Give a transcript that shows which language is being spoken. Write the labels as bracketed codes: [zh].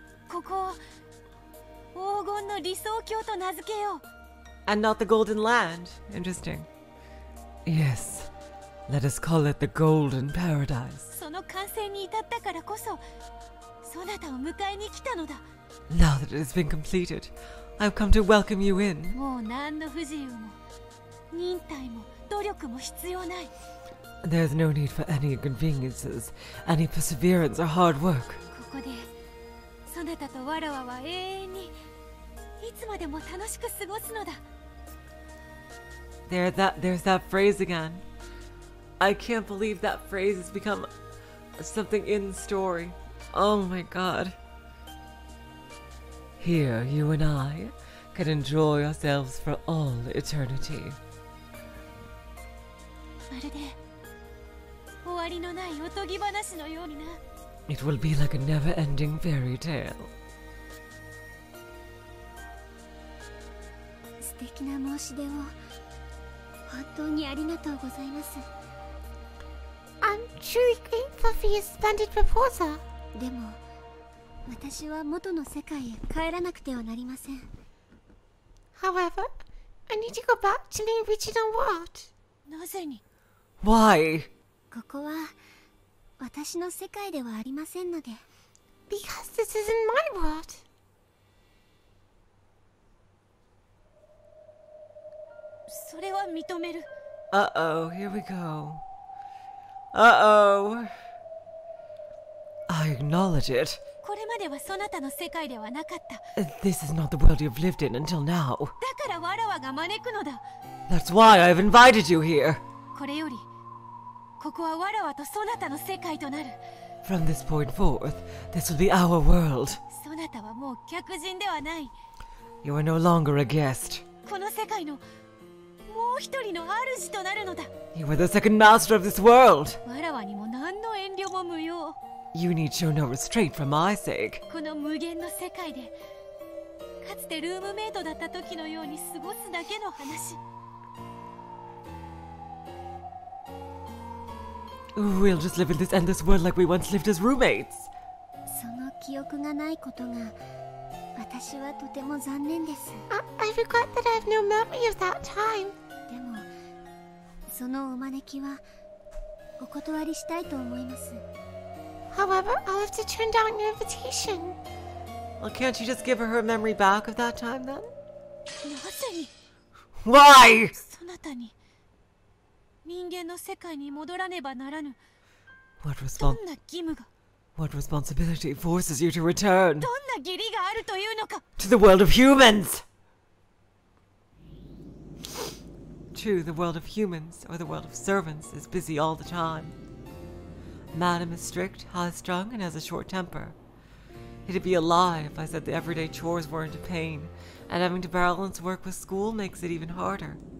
[ja] ここを黄金の理想郷と名付けよう。 [en] And not the golden land. Interesting. Yes, let us call it the golden paradise. [ja] その完成に至ったからこそ、そなたを迎えに来たのだ。 [en] Now that it has been completed, I've come to welcome you in. [ja] もう何の不自由も、忍耐も、努力も必要ない。 [en] There's no need for any inconveniences, any perseverance or hard work. [ja] ここで、そなたとわらわは永遠に、いつまでも楽しく過ごすのだ。 [en] There's that phrase again. I can't believe that phrase has become something in the story. Oh my god. Here, you and I can enjoy ourselves for all eternity. [ja] まるで終わりのないおとぎ話のようにな。 [en] It will be like a never-ending fairy tale. [ja] 素敵な申し出を本当にありがとうございます。 [en] I'm truly grateful for your splendid proposal. [ja] でも、私は元の世界へ帰らなくてはなりません。 [en] However, I need to go back to my original world. [ja] なぜに? [en] Why? [ja] ここは私の世界ではありませんので。 [en] Because this isn't my world. [ja] それは認める。 [en] Uh-oh, here we go. Uh-oh. I acknowledge it. [ja] これまではそなたの世界ではなかった。 [en] This is not the world you've lived in until now. [ja] だからわらわが招くのだ。 [en] That's why I've invited you here. [ja] これより、ここはわらわとそなたの世界となる。 [en] From this point forth, this will be our world. [ja] そなたはもう客人ではない。 [en] You are no longer a guest. [ja] この世界の…もう一人の主となるのだ。 [en] You are the second master of this world. [ja] わらわにも何の遠慮も無用。 [en] You need show no restraint for my sake. [ja] この無限の世界で、かつてルームメイトだった時のように過ごすだけの話。 [en] We'll just live in this endless world like we once lived as roommates. [ja] その記憶がないことが、私はとても残念です。 [en] I regret that I have no memory of that time. [ja] でも、そのお招きはお断りしたいと思います。 [en] However, I'll have to turn down your invitation. Well, can't you just give her memory back of that time then? [ja] なぜに? [en] Why? [ja] そなたに、人間の世界に戻らねばならぬ。 [en] What [ja] response? どんな義務が? [en] What responsibility forces you to return? [ja] どんな義理があるというのか? [en] To the world of humans! True, the world of humans, or the world of servants, is busy all the time. Madam is strict, high-strung, and has a short temper. It'd be a lie if I said the everyday chores weren't a pain, and having to balance work with school makes it even harder.